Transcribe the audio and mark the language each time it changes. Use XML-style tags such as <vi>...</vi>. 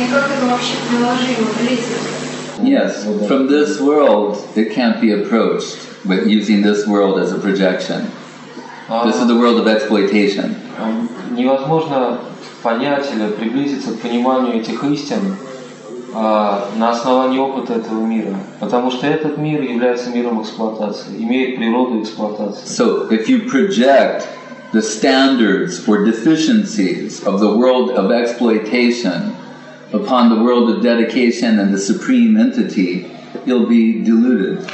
<en>Yes, from this world, it can't be approached with using this world as a projection. This is the world of exploitation.</en> <ru>Невозможно понять или приблизиться к пониманию этих истин на основании опыта этого мира, потому что этот мир является миром эксплуатации, имеет природу эксплуатации.</ru> <en>So, if you project the standards for deficiencies of the world of exploitation upon the world of dedication and the supreme entity, you'll be deluded.</en>